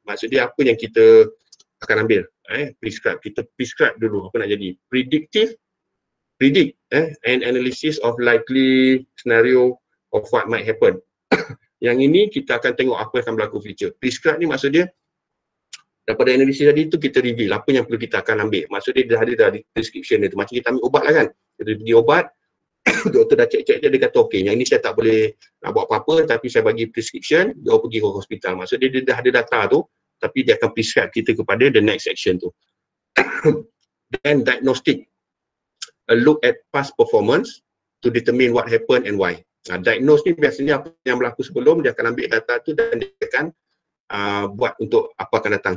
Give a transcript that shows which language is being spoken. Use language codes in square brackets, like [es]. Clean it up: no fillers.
[ms] Maksudnya apa yang kita akan ambil. Prescribe. Kita prescribe dulu apa nak jadi. Predictive. [en] Predict and analysis of likely scenario of what might happen. [ms] Yang ini kita akan tengok apa yang akan berlaku future. Prescribe ni maksudnya daripada analisis tadi tu kita reveal apa yang perlu kita akan ambil. Maksudnya dia dah ada dah description dia tu. Macam kita ambil ubat lah kan. Kita pergi ubat, doktor dah cek-cek dia, dia kata okey, yang ini saya tak boleh nak buat apa-apa tapi saya bagi prescription, dia pergi ke hospital. Maksudnya dia dah ada data tu tapi dia akan prescribe kita kepada [en] the next action [ms] tu. Then diagnostic. [en] A look at past performance to determine what happened and why. [ms] Diagnose ni biasanya apa yang berlaku sebelum, dia akan ambil data tu dan dia akan buat untuk apa akan datang.